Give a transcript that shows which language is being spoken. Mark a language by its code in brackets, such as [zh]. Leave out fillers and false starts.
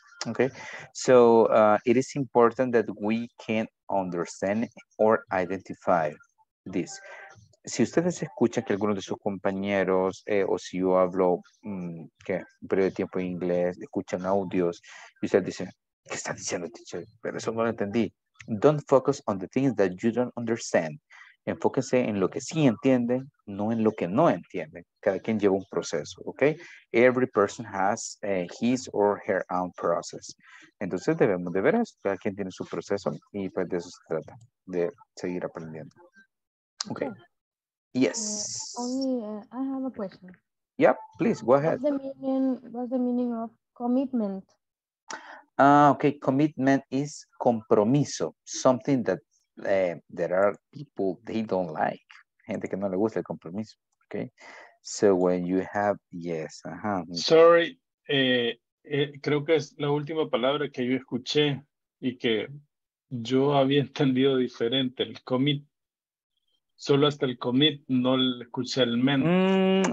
[en] Okay, so it is important that we can understand or identify this. [es] Si ustedes escuchan que algunos de sus compañeros o si yo hablo que un periodo de tiempo en inglés, escuchan audios y ustedes dicen, ¿qué está diciendo, teacher? Pero eso no lo entendí. [en] Don't focus on the things that you don't understand. [es] Enfóquense en lo que sí entienden, no en lo que no entienden. Cada quien lleva un proceso, ¿ok? [en] Every person has his or her own process. [es] Entonces debemos de ver eso. Cada quien tiene su proceso y pues de eso se trata, de seguir aprendiendo. [en] Ok. Yes. I have a question. Yeah, please, go ahead. What's the meaning of commitment? Okay, commitment is compromiso, something that there are people they don't like. [es] Gente que no le gusta el compromiso, okay? [en] So when you have, yes, [es] Sorry, creo que es la última palabra que yo escuché y que yo había entendido diferente, el commitment. Solo hasta el commit, no le escuché el men.